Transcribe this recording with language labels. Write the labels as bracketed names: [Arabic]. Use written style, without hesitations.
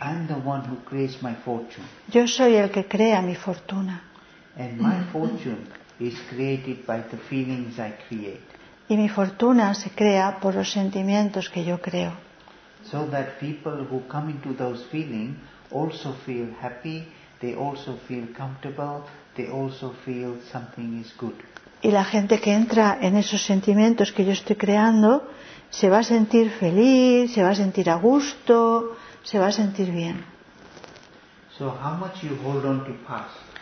[English] I'm the one who creates my fortune. [Spanish] Yo soy el que crea mi fortuna. [English] And my fortune is created by the feelings I create. [Spanish] Y mi fortuna se crea por los sentimientos que yo creo. [English] So that people who come into those feelings also feel happy, they also feel comfortable. They also feel something is good. [Spanish] Y la gente que entra en esos sentimientos que yo estoy creando se va a sentir feliz, se va a sentir a gusto, se va a sentir bien. [English] So how much you hold on to past?